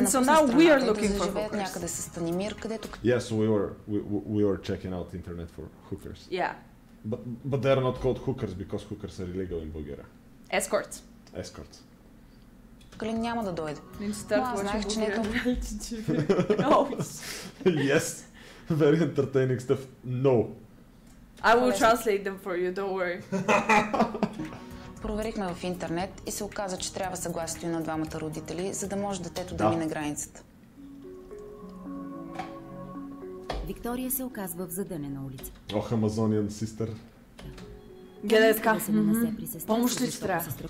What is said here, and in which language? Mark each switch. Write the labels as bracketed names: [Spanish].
[Bulgarian] напусне страната и да заживеят някъде с Станимир, където... [English] Yeah, so we were checking out the internet for hookers. Yeah. But they are not called hookers because hookers are illegal in Bulgaria. Escorts. Escorts. [Bulgarian] Калин няма да дойде. Но аз знаех, че не е това. [English] Yes. Very entertaining stuff. No. I will translate them for you, don't worry. [Bulgarian] Проверихме в интернет и се оказа, че трябва съгласието и на двамата родители, за да може детето да мине границата. Виктория се оказва в задънена улица. [English] Ох, Амазониан систър. [Bulgarian] Гледай така, помощ ли ще трябва?